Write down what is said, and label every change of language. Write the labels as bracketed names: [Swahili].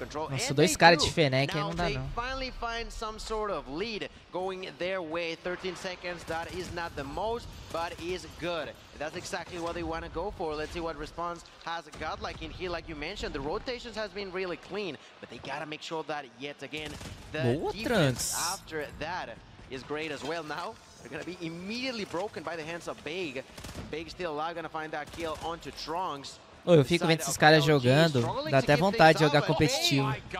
[Portuguese] Nossa, dois caras de Fennec aí não dá, não. [English] Finally find some sort of lead going their way. 13 seconds, that is not the most, but is good. That's exactly what they want to go for. Let's see what response has got like in here. Like you mentioned, the rotations has been really clean, but they gotta make sure that yet again the defense after that is great as well. Now they're gonna be immediately broken by the hands of Big. Big still alive, gonna find that kill onto Trunks. [Portuguese] Eu fico vendo esses caras jogando, dá até vontade de jogar competitivo.